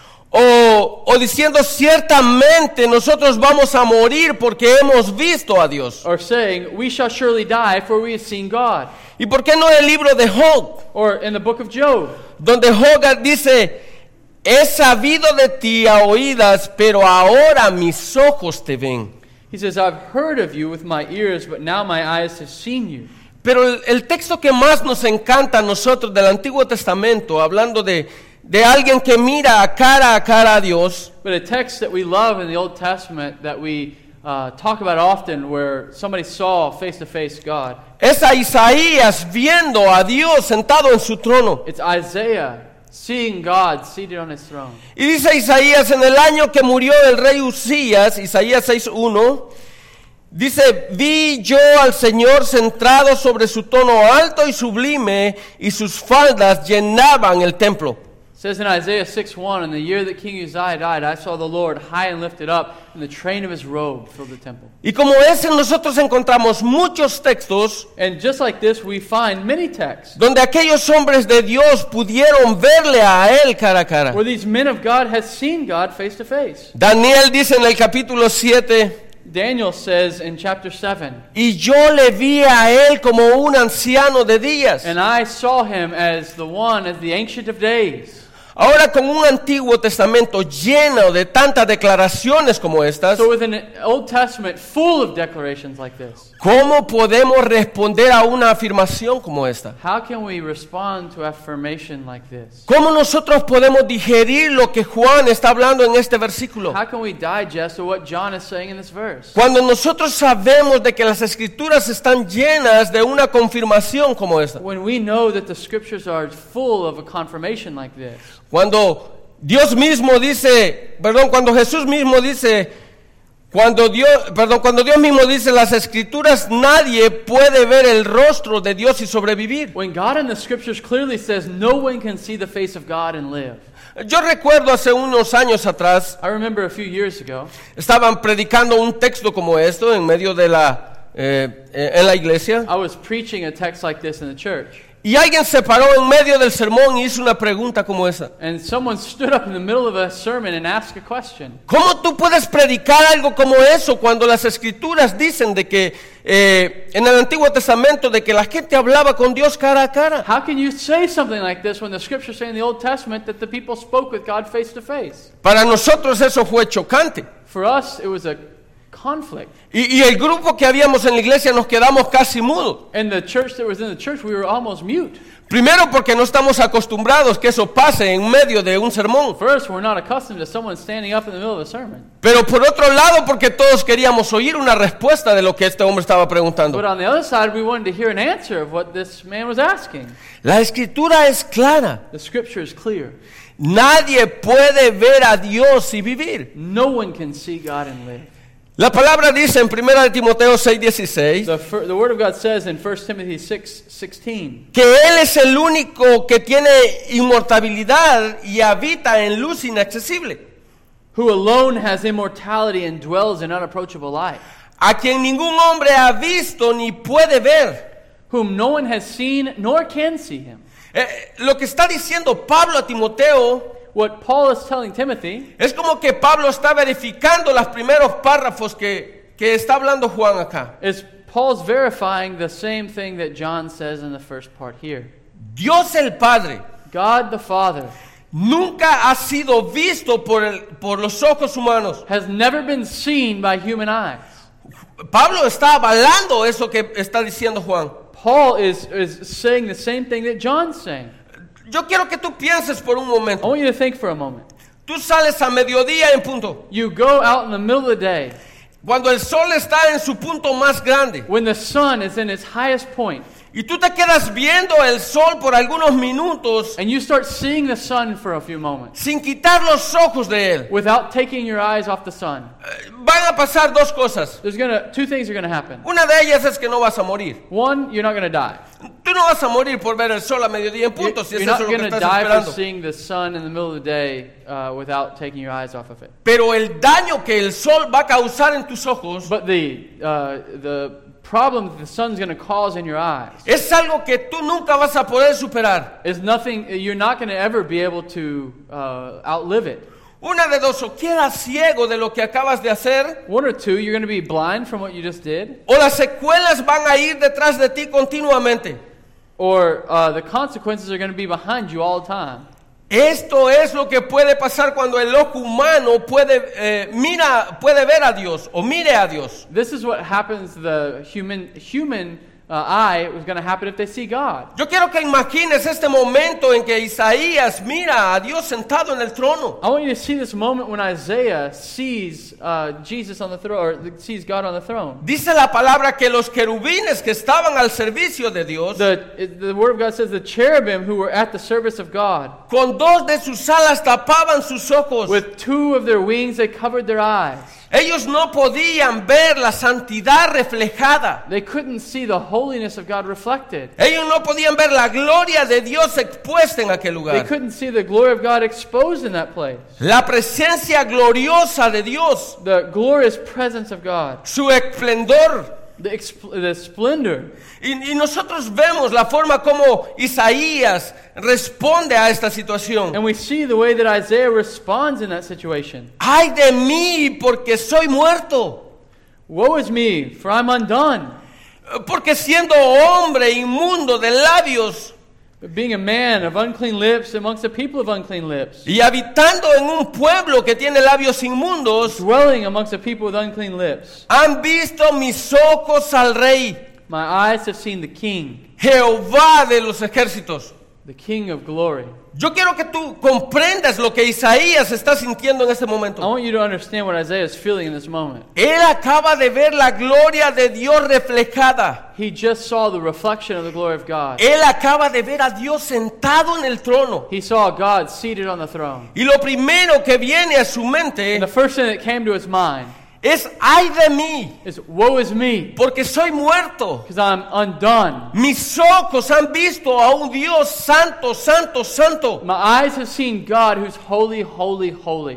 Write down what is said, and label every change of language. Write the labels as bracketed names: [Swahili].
[Spanish] O diciendo ciertamente nosotros vamos a morir porque hemos visto a Dios. [English] Or saying we shall surely die for we have seen God. [Spanish] ¿Y por qué no el libro de Job? [English] Or in the book of Job. [Spanish] Donde Job dice, he sabido de ti a oídas, pero ahora mis ojos te ven. [English] He says, I've heard of you with my ears, but now my eyes have seen you. [Spanish] Pero el texto que más nos encanta a nosotros del Antiguo Testamento, hablando de alguien que mira cara a cara a Dios. [English] But a text that we love in the Old Testament that we talk about often where somebody saw face to face God. [Spanish] Es a Isaías viendo a Dios sentado en su trono. [English] It's Isaiah seeing God seated on his throne. [Spanish] Y dice Isaías en el año que murió el rey Usías, Isaías 6:1, dice, vi yo al Señor sentado sobre su trono alto y sublime y sus faldas llenaban el templo. [English] It says in Isaiah 6:1, in the year that King Uzziah died, I saw the Lord high and lifted up, and the train of his robe filled the temple. [Spanish] Y como ese, nosotros encontramos muchos textos. [English] And just like this, we find many texts. [Spanish] Donde aquellos hombres de Dios pudieron verle a él cara a cara. [English] Where these men of God had seen God face to face. [Spanish] Daniel dice en el capítulo 7. [English] Daniel says in chapter 7. [Spanish] Y yo le vi a él como un anciano de días. [English] And I saw him as the one, as the ancient of days. [Spanish] Ahora con un Antiguo Testamento lleno de tantas declaraciones como estas. [English] So with an Old Testament full of declarations like this. [Spanish] ¿Cómo podemos responder a una afirmación como esta? [English] How can we respond to affirmation like this? [Spanish] ¿Cómo nosotros podemos digerir lo que Juan está hablando en este versículo? [English] How can we digest what John is saying in this verse? [Spanish] Cuando nosotros sabemos de que las Escrituras están llenas de una confirmación como esta. [English] When we know that the Scriptures are full of a confirmation like this. [Spanish] Cuando Dios mismo dice, perdón, cuando Jesús mismo dice, cuando Dios mismo dice las Escrituras, nadie puede ver el rostro de Dios y sobrevivir. [English] When God in the Scriptures clearly says no one can see the face of God and live. [Spanish] Yo recuerdo hace unos años atrás. [English] I remember a few years ago. [Spanish] Estaban predicando un texto como esto en medio de la en la iglesia. [English] I was preaching a text like this in the church. [Spanish] Y alguien se paró en medio del sermón y hizo una pregunta como esa. [English] And someone stood up in the middle of a sermon and asked a question. [Spanish] ¿Cómo tú puedes predicar algo como eso cuando las Escrituras dicen de que en el Antiguo Testamento de que la gente hablaba con Dios cara a cara? [English] How can you say something like this when the scriptures say in the Old Testament that the people spoke with God face to face? [Spanish] Para nosotros eso fue chocante. [English] For us it was a conflict. [Spanish] Y el grupo que habíamos en la iglesia nos quedamos casi mudos. [English] And the church that was in the church, we were almost mute. [Spanish] Primero porque no estamos acostumbrados que eso pase en medio de un sermón. [English] First, we're not accustomed to someone standing up in the middle of a sermon. [Spanish] Pero por otro lado, porque todos queríamos oír una respuesta de lo que este hombre estaba preguntando. [English] But on the other side, we wanted to hear an answer of what this man was asking. [Spanish] La escritura es clara. [English] The scripture is clear. [Spanish] Nadie puede ver a Dios y vivir. [English] No one can see God and live. [Spanish] La palabra dice en 1 Timoteo 6:16. [English] The word of God says in 1 Timothy 6:16. [Spanish] Que él es el único que tiene inmortalidad y habita en luz inaccesible. [English] Who alone has immortality and dwells in unapproachable light. [Spanish] A quien ningún hombre ha visto ni puede ver. [English] Whom no one has seen nor can see him. [Spanish] Lo que está diciendo Pablo a Timoteo. [English] What Paul is telling Timothy, [Spanish] es como que Pablo está verificando los primeros párrafos que está hablando Juan acá. [English] Is Paul's verifying the same thing that John says in the first part here. [Spanish] Dios el Padre, [English] God the Father, [Spanish] nunca ha sido visto por los ojos humanos. [English] Has never been seen by human eyes. [Spanish] Pablo está avalando eso que está diciendo Juan. [English] Paul is saying the same thing that John's saying. [Spanish] Yo quiero que tú pienses por un momento. [English] I want you to think for a moment. [Spanish] Tú sales a mediodía en punto. [English] You go out in the middle of the day. [Spanish] Cuando el sol está en su punto más grande. [English] When the sun is in its highest point. [Spanish] Y tú te quedas viendo el sol por algunos minutos. [English] And you start seeing the sun for a few moments. [Spanish] Sin quitar los ojos de él. [English] Without taking your eyes off the sun. [Spanish] Van a pasar dos cosas. [English] Two things are going to happen. [Spanish] Una de ellas es que no vas a morir. [English] One, you're not going to die. [Spanish] Tú no vas a morir por ver el sol a mediodía en punto, si eso es lo que estás esperando. [English] You're not going to die for seeing the sun in the middle of the day without taking your eyes off of it. [Spanish] Pero el daño que el sol va a causar en tus ojos. [English] But the problem that the sun's going to cause in your eyes. [Spanish] Es algo que tú nunca vas a poder superar. [English] Is nothing you're not going to ever be able to outlive it. [Spanish] Una de dos, o quedas ciego de lo que acabas de hacer. [English] One or two, you're going to be blind from what you just did. [Spanish] O las secuelas van a ir detrás de ti continuamente. [English] Or the consequences are going to be behind you all the time. [Spanish] Esto es lo que puede pasar cuando el ojo humano puede ver a Dios o mire a Dios. [English] This is what happens to the human. Eye was going to happen if they see God. [Spanish] Yo quiero que imagines este momento en que Isaías mira a Dios sentado en el trono. [English] I want you to see this moment when Isaiah sees Jesus on the throne, or sees God on the throne. [Spanish] Dice la palabra que los querubines que estaban al servicio de Dios. [English] The word of God says the cherubim who were at the service of God. [Spanish] Con dos de sus alas tapaban sus ojos. [English] With two of their wings they covered their eyes. [Spanish] Ellos no podían ver la santidad reflejada. [English] They couldn't see the holiness of God reflected. [Spanish] Ellos no podían ver la gloria de Dios expuesta en aquel lugar. [English] They couldn't see the glory of God exposed in that place. [Spanish] La presencia gloriosa de Dios. [English] The glorious presence of God. [Spanish] Su esplendor. [English] The splendor. [Spanish] Y nosotros vemos la forma como Isaías responde a esta situación. [English] And we see the way that Isaiah responds in that situation. [Spanish] ¡Ay de mí, porque soy muerto! [English] Woe is me, for I'm undone. [Spanish] Porque siendo hombre inmundo de labios. [English] Being a man of unclean lips amongst the people of unclean lips. [Spanish] Y habitando en un pueblo que tiene labios inmundos. [English] Dwelling amongst the people with unclean lips. [Spanish] Han visto mis ojos al rey. [English] My eyes have seen the king. [Spanish] Jehová de los ejércitos. [English] The king of glory. [Spanish] Yo quiero que tú comprendas lo que Isaías está sintiendo en este momento. [English] I want you to understand what Isaiah is feeling in this moment. [Spanish] Él acaba de ver la gloria de Dios reflejada. [English] He just saw the reflection of the glory of God. [Spanish] Él acaba de ver a Dios sentado en el trono. [English] He saw God seated on the throne. [Spanish] Y lo primero que viene a su mente. [English] And the first thing that came to his mind. [Spanish] Es ay de mí. [English] It's woe is me. [Spanish] Porque soy muerto. [English] Because I'm undone. [Spanish] Mis ojos han visto a un Dios santo, santo, santo. [English] My eyes have seen God who's holy, holy, holy.